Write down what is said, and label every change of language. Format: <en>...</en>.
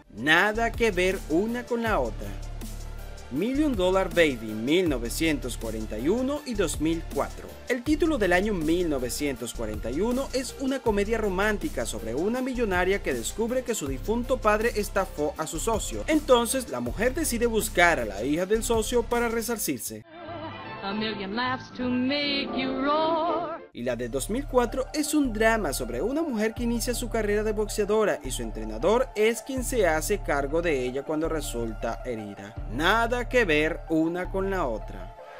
<es>Nada que ver una con la otra. Million Dollar Baby, 1941 y 2004. El título del año 1941 es una comedia romántica sobre una millonaria que descubre que su difunto padre estafó a su socio. Entonces, la mujer decide buscar a la hija del socio para resarcirse.</es> <en>A million laughs to make you roar.</en> <es>Y la de 2004 es un drama sobre una mujer que inicia su carrera de boxeadora y su entrenador es quien se hace cargo de ella cuando resulta herida. Nada que ver una con la otra.</es>